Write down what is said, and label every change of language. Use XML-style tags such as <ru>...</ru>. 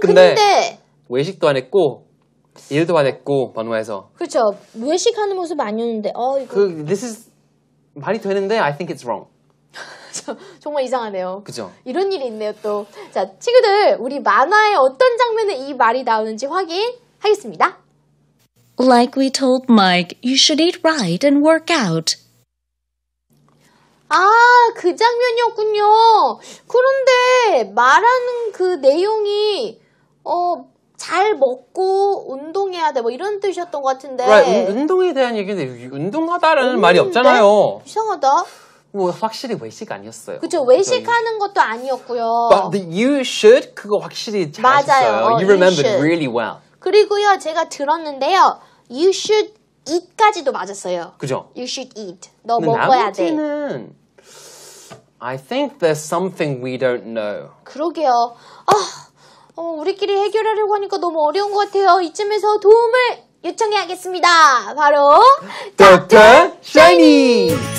<ko>근데 외식도 안 했고 일도 안 했고 번호에서. 그렇죠. 외식하는 모습 아니었는데.</ko> <en>this is</en> <ko>말이 되는데</ko> <en>I think it's wrong.</en> <ko>정말 이상하네요. 그죠. 이런 일이 있네요 또. 자, 친구들 우리 만화의 어떤 장면에 이 말이 나오는지 확인하겠습니다.</ko> <en>Like we told Mike, you should eat right and work out.</en> <ko>그 장면이었군요. 그런데 말하는 그 내용이 잘 먹고 운동해야 돼 뭐 이런 뜻이었던 것 같은데</ko> <en>right.</en> <ko>운동에 대한 얘기인데 운동하다라는 없는데? 말이 없잖아요 이상하다 뭐 확실히 외식 아니었어요 그렇죠 외식하는 것도 아니었고요</ko> <en>But the you should</en> <ko>그거 확실히 잘 맞아요. 하셨어요</ko> <en>You remembered you really well</en> <ko>그리고요 제가 들었는데요</ko> <en>You should eat</en> <ko>까지도 맞았어요 그죠</ko> <en>You should eat</en> <ko>너 먹어야 돼 나머지는</ko> <en>I think there's something we don't know</en> <ko>그러게요 우리끼리 해결하려고 하니까 너무 어려운 것 같아요 이쯤에서 도움을 요청해야겠습니다 바로</ko> <en>Dr. Shiny</en>